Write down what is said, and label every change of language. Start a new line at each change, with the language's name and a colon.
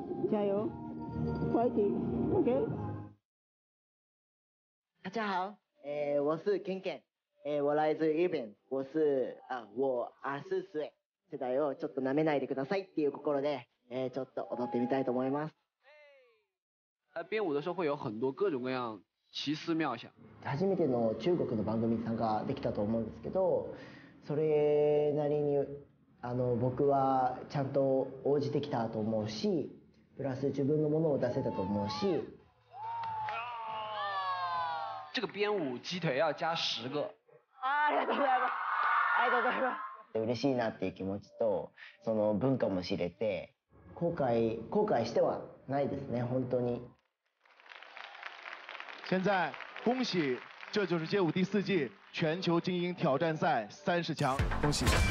Chinese: 加油ファイティング OK。大家好、我是健健、我来自日本、我
Japanese: 明日末世代をちょっと舐めないでくださいっていう心で、ちょっと踊ってみたいと思います。
Chinese: 在编舞的时候会有很多各种各样奇思妙想。
Japanese: 初めての中国の番組に参加できたと思うんですけど、それなりに僕はちゃんと応じてきたと思うし、プラス自分のものを出せたと思うし。
Chinese: 这个编舞鸡腿要加十个。
Japanese: ありがとうございます。ありがとうございます。嬉しいなっていう気持ちと、その文化も知れて、後悔してはないですね、本当に。
Chinese: 现在恭喜这就是街舞第四季全球精英挑战赛30强，恭喜。